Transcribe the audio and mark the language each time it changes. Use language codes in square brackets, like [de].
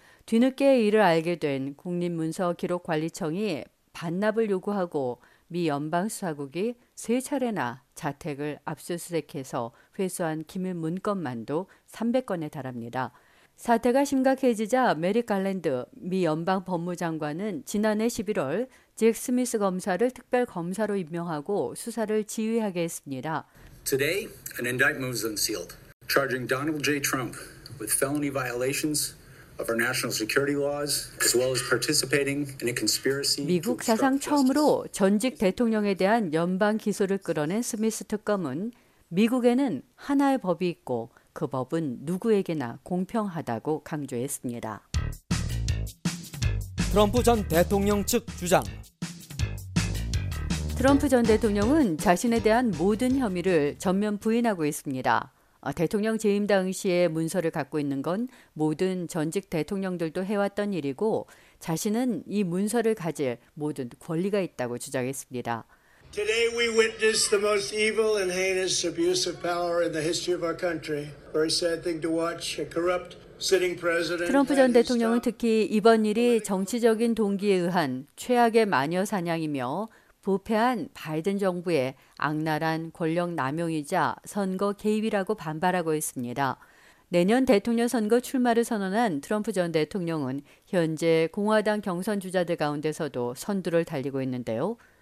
[ko] 뒤늦게 이를 알게 된 국립문서기록관리청이 반납을 요구하고 미 연방수사국이 세 차례나 자택을 압수수색해서 회수한 기밀문건만도 300건에 달합니다. 사태가 심각해지자 메릭 갈랜드 미 연방 법무장관은 지난해 11월 잭 스미스 검사를 특별 검사로 임명하고 수사를 지휘하게 했습니다. [en] Today, an indictment was unsealed, charging Donald J. Trump with felony violations of our national security laws, as well as participating in a conspiracy. [ko] 미국 사상 처음으로 전직 대통령에 대한 연방 기소를 끌어낸 스미스 특검은 미국에는 하나의 법이 있고 그 법은 누구에게나 공평하다고 강조했습니다. 트럼프 전 대통령 측 주장. 트럼프 전 대통령은 자신에 대한 모든 혐의를 전면 부인하고 있습니다. 대통령 재임 당시의 문서를 갖고 있는 건 모든 전직 대통령들도 해왔던 일이고 자신은 이 문서를 가질 모든 권리가 있다고 주장했습니다. [en] Today we witness the most evil and heinous abuse of power in the history of our country. Very sad thing to watch. A corrupt sitting president. [ko] 트럼프 전 대통령은 특히 이번 일이 정치적인 동기에 의한 최악의 마녀 사냥이며 부패한 바이든 정부의 악랄한 권력 남용이자 선거 개입이라고 반발하고 있습니다. 내년 대통령 선거 출마를 선언한 트럼프 전 대통령은 현재 공화당 경선 주자들 가운데서도 선두를 달리고 있는데요.